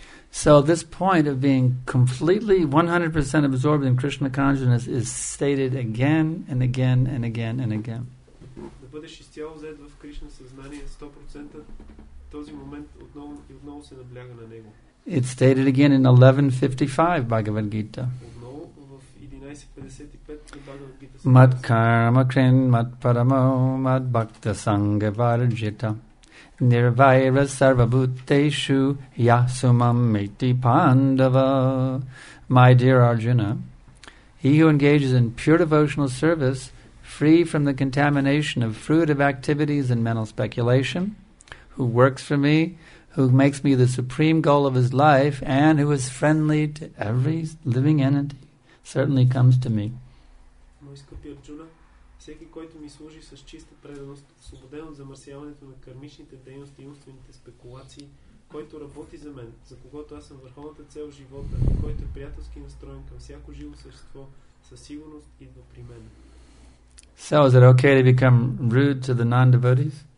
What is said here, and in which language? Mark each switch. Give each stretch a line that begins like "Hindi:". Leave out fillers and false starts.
English: So this point of being completely 100% absorbed in Krishna consciousness is stated again and again and again and again.
Bulgarian: Бъдеш изцяло взет в Кришна съзнание 100%, този момент отново се набляга на него.
English: It's stated again in 1155 Bhagavad Gita.
Bulgarian: Отново в 1155 Bhagavad Gita.
Sanskrit: Мат карма крин мат парамо мат бхакта санга варджита Nirvaira sarvabhuteshu yasumam meti pandava.
English: My dear Arjuna, he who engages in pure devotional service, free from the contamination of fruitive activities and mental speculation, who works for me, who makes me the supreme goal of his life, and who is friendly to every living entity, certainly comes to me.
Bulgarian: Мой скъпи Арджуна, всеки, който ми служи с чиста преданост, освободен от замърсяването на кармичните дейности и умствените спекулации, който работи за мен, за когото аз съм върховната цел в живота, който е приятелски настроен към всяко живо същество, със сигурност идва при мен.
English: So is it okay to become rude to the non-devotees?